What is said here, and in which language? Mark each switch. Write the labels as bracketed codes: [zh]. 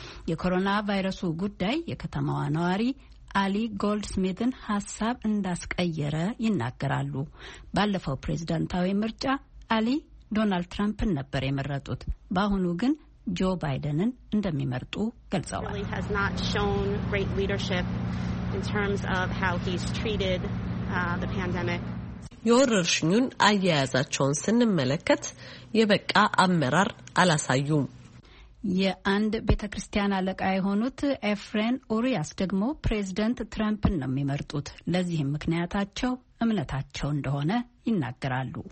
[am] የኮሮና ቫይረሱ ጉዳይ የከተማዋ ነዋሪ አሊ ጎልድስሚትን ሐሳብ እንዳስቀየረ ይናገራሉ። ባለፈው ፕሬዝዳንታዊ ምርጫ አሊ ዶናልድ ትራምፕን ነበር የመረጡት። በአሁኑ ግን ጆ ባይደንን እንደሚመርጡ ገልጸዋል። [en] He has not shown great leadership in terms of how he's treated the pandemic. [am] የወረርሽኙን አያያዛቸውን ስንመለከት የበቃ አመራር አላሳዩም። የአንድ ቤተክርስቲያን አለቃ የሆኑት ኤፍሬን ኦሪያስ ደግሞ ፕሬዝዳንት ትራምፕን ነው የሚመርጡት። ለዚህም ምክንያታቸው እምነታቸው እንደሆነ ይናገራሉ።